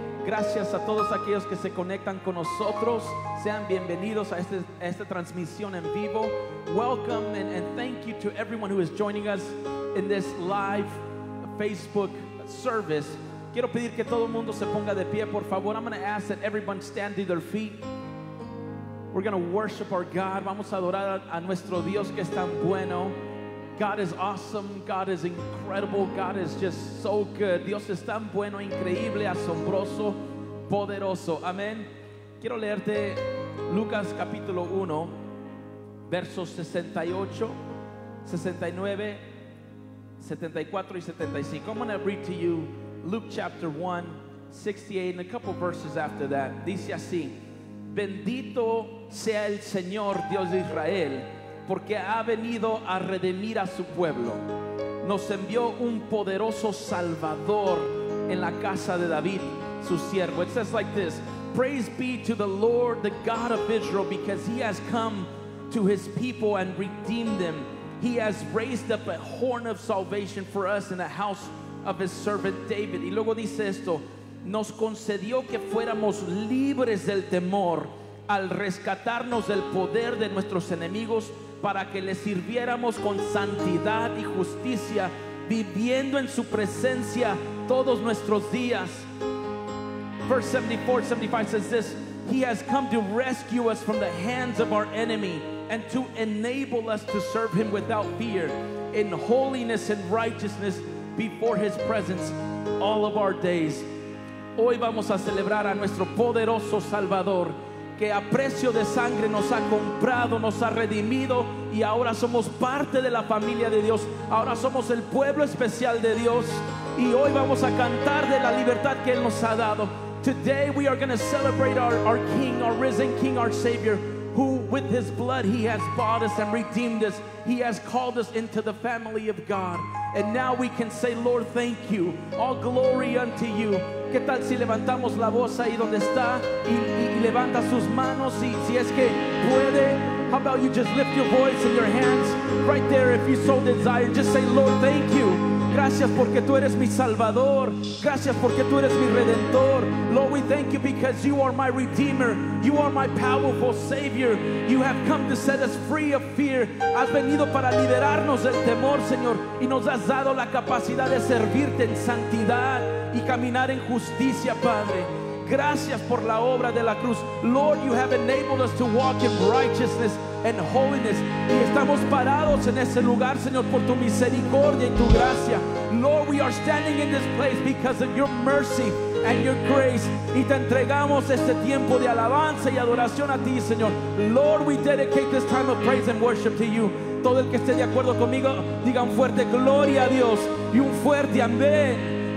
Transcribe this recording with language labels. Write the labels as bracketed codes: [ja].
[es] Gracias a todos aquellos que se conectan con nosotros. Sean bienvenidos a esta transmisión en vivo. [en] Welcome and thank you to everyone who is joining us in this live Facebook service. [es] Quiero pedir que todo el mundo se ponga de pie, por favor. [en] I'm going to ask that everyone stand to their feet. We're going to worship our God. [es] Vamos a adorar a nuestro Dios que es tan bueno. [en] God is awesome. God is incredible. God is just so good. [es] Dios es tan bueno, increíble, asombroso, poderoso. Amén. Quiero leerte Lucas capítulo 1, versos 68, 69, 74 y 75. [en] I'm going to read to you Luke chapter 1, 68, and a couple verses after that. [es] Dice así: Bendito sea el Señor Dios de Israel, porque ha venido a redimir a su pueblo. Nos envió un poderoso Salvador en la casa de David, su siervo. [en] It says like this: Praise be to the Lord, the God of Israel, because he has come to his people and redeemed them. He has raised up a horn of salvation for us in the house of his servant David. [es] Y luego dice esto: Nos concedió que fuéramos libres del temor al rescatarnos del poder de nuestros enemigos para que le sirviéramos con santidad y justicia, viviendo en su presencia todos nuestros días. [en] Verse 74, 75 says this: He has come to rescue us from the hands of our enemy and to enable us to serve him without fear in holiness and righteousness before his presence all of our days. [es] Hoy vamos a celebrar a nuestro poderoso Salvador, que a precio de sangre nos ha comprado, nos ha redimido, y ahora somos parte de la familia de Dios. Ahora somos el pueblo especial de Dios, y hoy vamos a cantar de la libertad que Él nos ha dado. [en] Today we are going to celebrate our King, our risen King, our Savior, who with His blood He has bought us and redeemed us. He has called us into the family of God. And now we can say, Lord, thank you. All glory unto you. [es] ¿Qué tal si levantamos la voz ahí donde está y levanta sus manos si es que puede? [en] How about you just lift your voice and your hands right there if you so desire. Just say, Lord, thank you. [es] Gracias porque tú eres mi Salvador. Gracias porque tú eres mi Redentor. [en] Lord, we thank you because you are my Redeemer. You are my powerful Savior. You have come to set us free of fear. [es] Has venido para liberarnos del temor, Señor. Y nos has dado la capacidad de servirte en santidad y caminar en justicia, Padre. Gracias por la obra de la cruz. [en] Lord, you have enabled us to walk in righteousness and holiness. [es] Y estamos parados en ese lugar, Señor, por tu misericordia y tu gracia. [en] Lord, we are standing in this place because of your mercy and your grace. [es] Y te entregamos este tiempo de alabanza y adoración a ti, Señor. [en] Lord, we dedicate this time of praise and worship to you. [es] Todo el que esté de acuerdo conmigo, digan fuerte gloria a Dios y un fuerte amén.